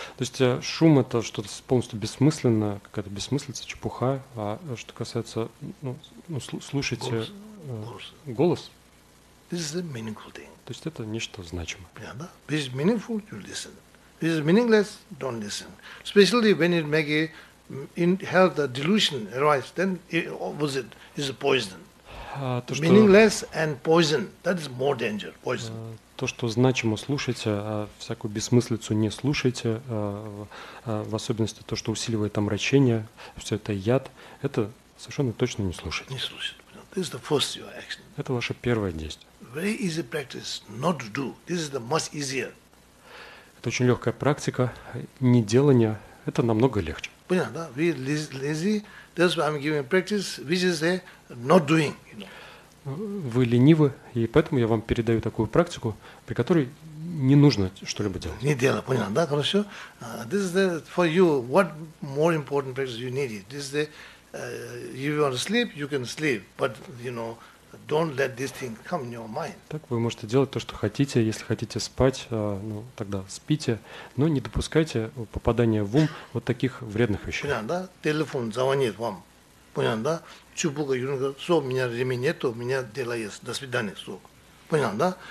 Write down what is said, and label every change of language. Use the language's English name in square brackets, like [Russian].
[Russian] То есть шум это что-то полностью бессмысленное, какая-то бессмыслица, чепуха. А что касается слушайте голос. [English] This is a meaningful thing. [Russian] То есть это нечто значимое. Понятно? [English] This is meaningful, you listen. This is meaningless, don't listen. Especially when it make a in health the delusion arise, then was it is a poison. Meaningless and poison, that is more danger, poison. [Russian] То, что значимо, слушайте, а всякую бессмыслицу не слушайте, в особенности то, что усиливает омрачение, все это яд, это совершенно точно не слушайте. Не слушайте. [English] This is the first your action. [Russian] Это ваше первое действие. [English] Very easy practice not to do. This is the much easier. [Russian] Это очень легкая практика, не делание, это намного легче. Понятно, да? [English] We lazy, that's why I'm giving practice, which is a not doing, you know. [Russian] Вы ленивы, и поэтому я вам передаю такую практику, при которой не нужно что-либо делать. Не дело, понятно, да? Хорошо? [English] This is the, for you, what more important practice you need? This is the, you want to sleep, you can sleep, but, you know, don't let this thing come in your mind. [Russian] Так вы можете делать то, что хотите. Если хотите спать, тогда спите. Но не допускайте попадания в ум вот таких вредных вещей. Понятно, да? Телефон звонит вам. Понятно, да? Чупука, юнга, все, у меня времени нету, у меня дела есть. До свидания, все. Понятно, да?